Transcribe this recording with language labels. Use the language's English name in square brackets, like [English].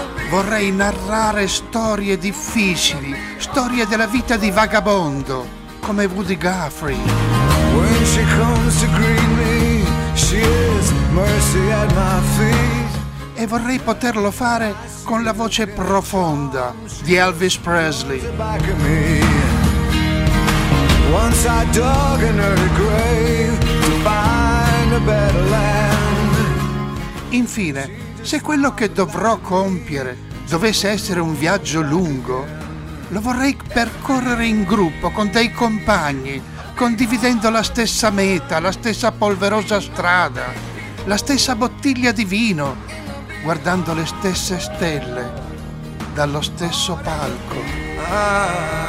[Italian] Vorrei narrare storie difficili, storie della vita di vagabondo, come Woody Guthrie. [English] When she comes to greet me, she is mercy at my feet. [Italian] E vorrei poterlo fare con la voce profonda di Elvis Presley. [English] Once I dug in her grave to find a better land. [Italian] Infine, se quello che dovrò compiere dovesse essere un viaggio lungo, lo vorrei percorrere in gruppo con dei compagni, condividendo la stessa meta, la stessa polverosa strada, la stessa bottiglia di vino, guardando le stesse stelle dallo stesso palco.